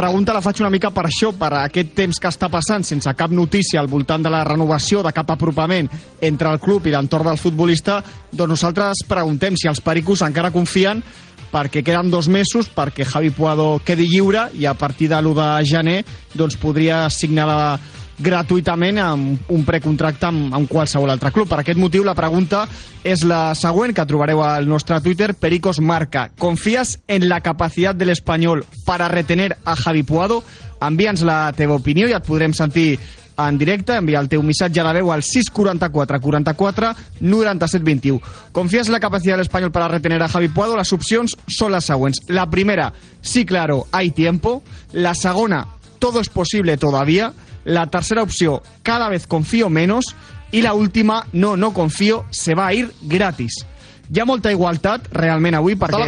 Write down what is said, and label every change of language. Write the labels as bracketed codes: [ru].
[ca] La pregunta la faig una mica per això, per aquest temps que està passant, sense cap notícia al voltant de la renovació, de cap apropament entre el club i l'entorn del futbolista, doncs nosaltres preguntem si els pericos encara confien perquè queden 2 mesos, perquè Javi Puado quedi lliure i a partir de l'1 de gener doncs podria signar gratuïtament amb un precontracte amb qualsevol altre club. Per aquest motiu, la pregunta és la següent, que trobareu al nostre Twitter, Pericos Marca. [es] ¿Confías en la capacidad del Español para retener a Javi Puado? [ca] Envia'ns la teva opinió i et podrem sentir en directe. Envia el teu missatge de veu al 644-44-97-21. [es] ¿Confías en la capacidad del Español para retener a Javi Puado? [ca] Les opcions són les següents. [es] La primera, sí, claro, hay tiempo. [ca] La segona, [es] todo es posible todavía. [ca] La tercera opció, [es] cada vez confío menos. [ca] I la última, [es] no confío, se va a ir gratis. [ca] Hi ha molta igualtat, realment, avui, perquè